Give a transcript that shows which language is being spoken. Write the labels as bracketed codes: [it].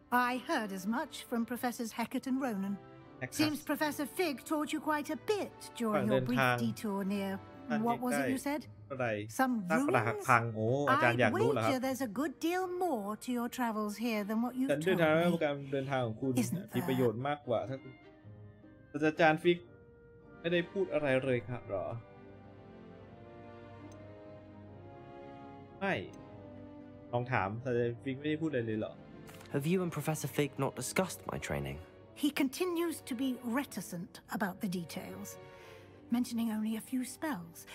[en] I heard as much from Professors Hecate and Ronan. Seems Professor Fig taught you quite a bit during your brief detour near. What was it you said? Some ruins. I wager there's a good deal more to your travels here than what you've told me. [th] เดินทางแล้วการเดินทางของคุณมีประโยชน์มากกว่าถ้าอาจารย์ฟิกไม่ได้พูดอะไรเลยครับหรอไม่ลองถามอาจารย์ฟิกไม่ได้พูดอะไรเลยหรอ [en] Have you and Professor Fig not discussed my training? He continues to be reticent about the details, mentioning only a few spells.